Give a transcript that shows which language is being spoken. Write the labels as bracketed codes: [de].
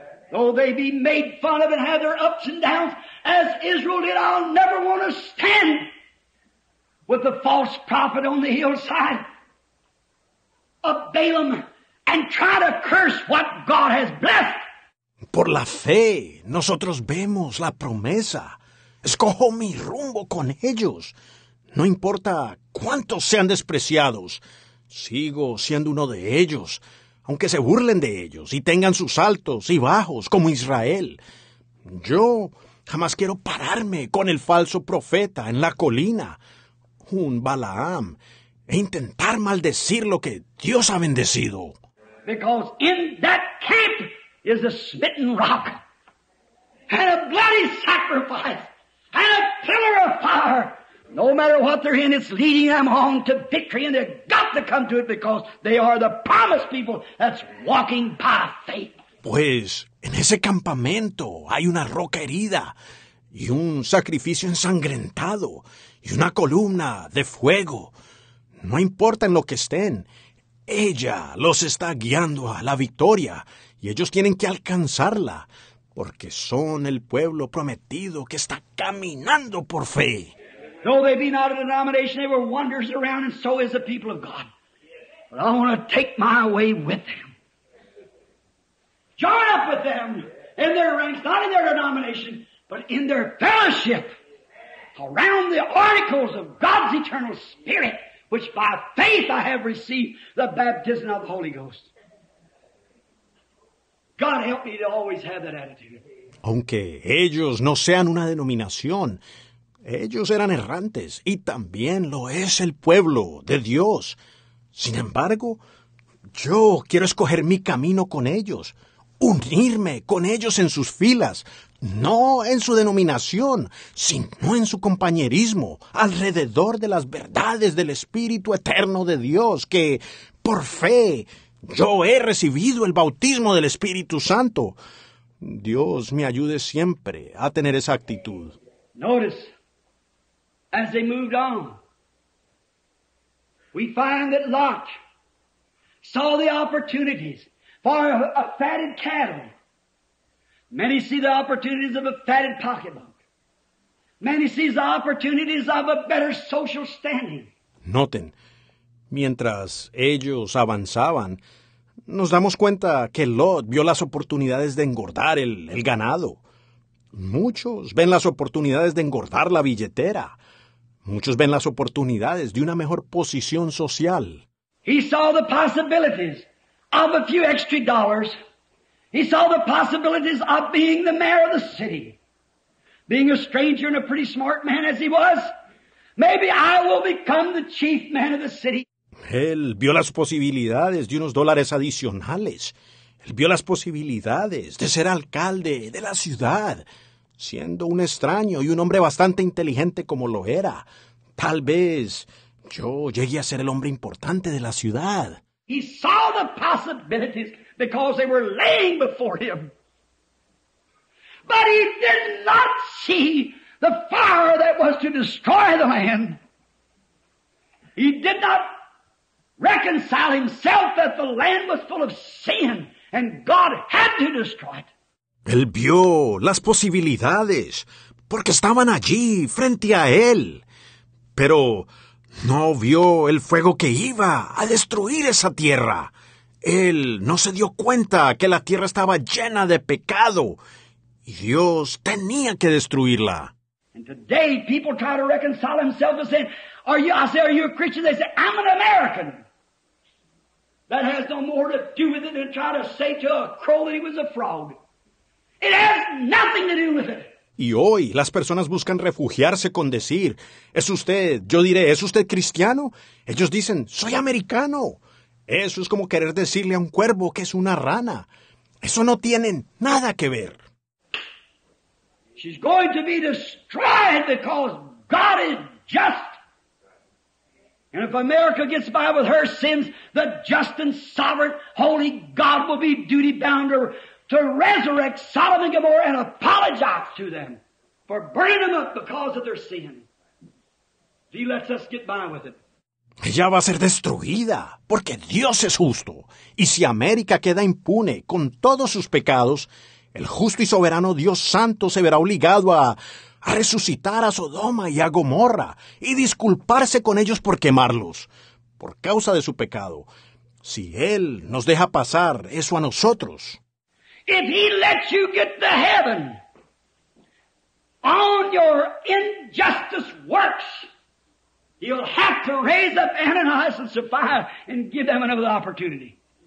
[en] Though they be made fun of and have their ups and downs, as Israel did, I'll never want to stand with the false prophet on the hillside of Balaam and try to curse what God has blessed. [es] Por la fe, nosotros vemos la promesa. Escojo mi rumbo con ellos. No importa cuántos sean despreciados, sigo siendo uno de ellos. Aunque se burlen de ellos y tengan sus altos y bajos como Israel, yo jamás quiero pararme con el falso profeta en la colina, un Balaam, e intentar maldecir lo que Dios ha bendecido. [en] Because in that camp is a smitten rock, and a bloody sacrifice, and a pillar of fire. No matter what they're in, it's leading them on to victory, and they've got to come to it because they are the promised people that's walking by faith. [es] Pues, en ese campamento hay una roca herida, y un sacrificio ensangrentado, y una columna de fuego. No importa en lo que estén, ella los está guiando a la victoria, y ellos tienen que alcanzarla, porque son el pueblo prometido que está caminando por fe. [en] Though they be not a denomination, they were wanderers around, and so is the people of God. But I want to take my way with them. Join up with them in their ranks, not in their denomination, but in their fellowship around the articles of God's eternal Spirit, which by faith I have received the baptism of the Holy Ghost. God help me to always have that attitude. [es] Aunque ellos no sean una denominación, ellos eran errantes, y también lo es el pueblo de Dios. Sin embargo, yo quiero escoger mi camino con ellos, unirme con ellos en sus filas, no en su denominación, sino en su compañerismo, alrededor de las verdades del Espíritu Eterno de Dios, que, por fe, yo he recibido el bautismo del Espíritu Santo. Dios me ayude siempre a tener esa actitud. [en] Notice. As they moved on, we find that Lot saw the opportunities for a fatted cattle. Many see the opportunities of a fatted pocketbook. Many see the opportunities of a better social standing. [es] Noten, mientras ellos avanzaban, nos damos cuenta que Lot vio las oportunidades de engordar el ganado. Muchos ven las oportunidades de engordar la billetera. Muchos ven las oportunidades de una mejor posición social. [en] He saw the possibilities of a few extra dollars. He saw the possibilities of being the mayor of the city. Being a stranger and a pretty smart man as he was, maybe I will become the chief man of the city. [es] Él vio las posibilidades de unos dólares adicionales. Él vio las posibilidades de ser alcalde de la ciudad. Siendo un extraño y un hombre bastante inteligente como lo era, tal vez yo llegué a ser el hombre importante de la ciudad. [en] He saw the possibilities because they were laying before him. But he did not see the fire that was to destroy the land. He did not reconcile himself that the land was full of sin and God had to destroy it. [es] Él vio las posibilidades, porque estaban allí, frente a él. Pero no vio el fuego que iba a destruir esa tierra. Él no se dio cuenta que la tierra estaba llena de pecado, y Dios tenía que destruirla. [en] And today people try to reconcile themselves and say, are you a Christian? They say, I'm an American. That has no more to do with it than try to say to a crow that he was a frog. It has nothing to do with it. [es] Y hoy las personas buscan refugiarse con decir, ¿es usted? Yo diré, ¿es usted cristiano? Ellos dicen, soy americano. Eso es como querer decirle a un cuervo que es una rana. Eso no tienen nada que ver. [en] She's going to be destroyed because God is just. And if America gets by with her sins, the just and sovereign holy God will be duty bound to resurrect Sodom and Gomorrah and apologize to them for burning them up because of their sin. If he lets us get by with it. [es] Ella va a ser destruida, porque Dios es justo. Y si América queda impune con todos sus pecados, el justo y soberano Dios Santo se verá obligado a resucitar a Sodoma y a Gomorra y disculparse con ellos por quemarlos, por causa de su pecado. Si Él nos deja pasar eso a nosotros. [en] If he lets you get to heaven on your injustice works, you'll have to raise up Ananias and Sapphira and give them another opportunity.